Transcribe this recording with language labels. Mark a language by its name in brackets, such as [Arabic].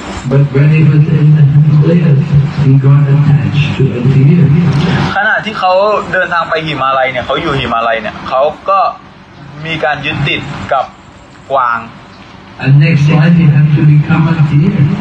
[English] But when he was in the Himalayas, he got attached to a deer. [Thai] ขณะที่เขาเดินทางไปหิมาลัยเนี่ยเขาอยู่หิมาลัยเนี่ยเขาก็มีการยึดติดกับกวาง [English] And next life he had to become a deer.